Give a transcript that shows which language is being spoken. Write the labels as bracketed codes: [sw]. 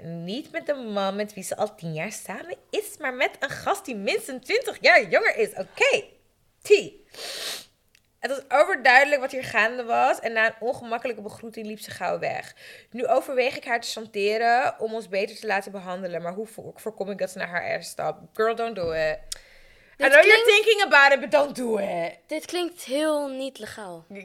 [nl] Niet met de man met wie ze al 10 jaar samen is, maar met een gast die minstens 20 jaar jonger is. Oké. T. Het was overduidelijk wat hier gaande was en na een ongemakkelijke begroeting liep ze gauw weg. Nu overweeg ik haar te chanteren om ons beter te laten behandelen, maar hoe voorkom ik dat ze naar haar eerste stap? [en] Girl, don't do it. Dit I know you're thinking about it, but don't do it. [nl] Dit klinkt heel niet legaal.